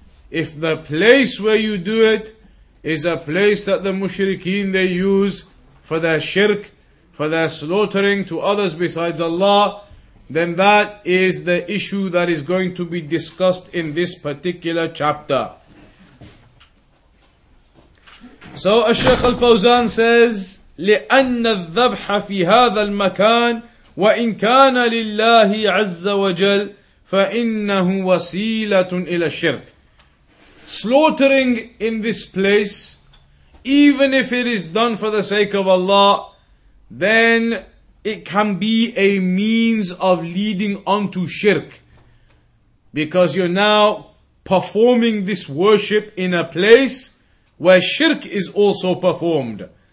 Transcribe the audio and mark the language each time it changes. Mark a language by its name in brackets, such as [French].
[English] If the place where you do it is a place that the mushrikeen they use for their shirk, for their slaughtering to others besides Allah, then that is the issue that is going to be discussed in this particular chapter. [Arabic] So الشيخ الفوزان [English] says [Arabic] لأن الذبح في هذا المكان وإن كان لله عز وجل فإنه وسيلة إلى الشرك. [English] Slaughtering in this place, even if it is done for the sake of Allah, then it can be a means of leading onto shirk, because you're now performing this worship in a place where shirk is also performed.